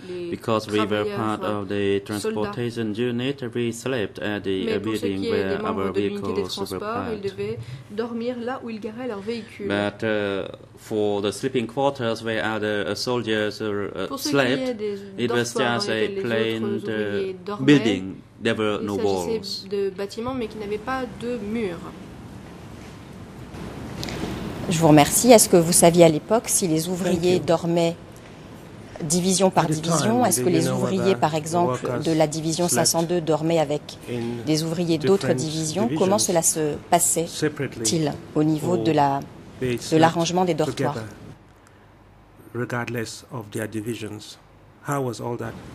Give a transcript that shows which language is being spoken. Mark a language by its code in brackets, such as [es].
[en] Because we were part of the transportation unit, we slept at the building where our vehicles were parked. But for the sleeping quarters where other soldiers slept, it was just a plain building. There were no walls. [fr] Il s'agissait de bâtiments, mais qui n'avaient pas de murs. Je vous remercie. Est-ce que vous saviez à l'époque si les ouvriers dormaient division par division, est-ce que les ouvriers, par exemple, de la division 502 dormaient avec des ouvriers d'autres divisions? Comment cela se passait-il au niveau de l'arrangement des dortoirs? [en] Regardless of their divisions, how was all that